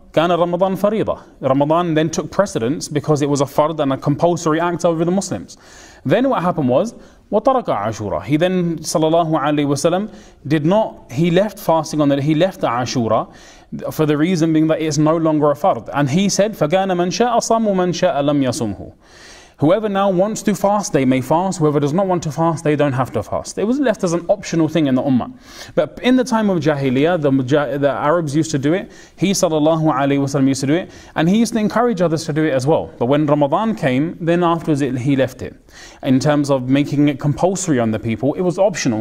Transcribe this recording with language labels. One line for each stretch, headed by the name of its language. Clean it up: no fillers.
Arabic: Kana Ramadan farida.
English: Ramadan then took precedence because it was a fard and a compulsory act over the Muslims. Then what happened was,
Arabic: wataraka Ashura.
English: He then, sallallahu alayhi wasallam, he left Ashura for the reason being that it's no longer a fard. And he said,
Arabic: فَقَانَ مَنْ شَاءَ صَمُ وَمَنْ شَاءَ لَمْ يَصُمْهُ.
English: Whoever now wants to fast, they may fast. Whoever does not want to fast, they don't have to fast. It was left as an optional thing in the Ummah. But in the time of Jahiliyyah, the Arabs used to do it. He, sallallahu alayhi wa sallam, used to do it. And he used to encourage others to do it as well. But when Ramadan came, then afterwards he left it. In terms of making it compulsory on the people, it was optional.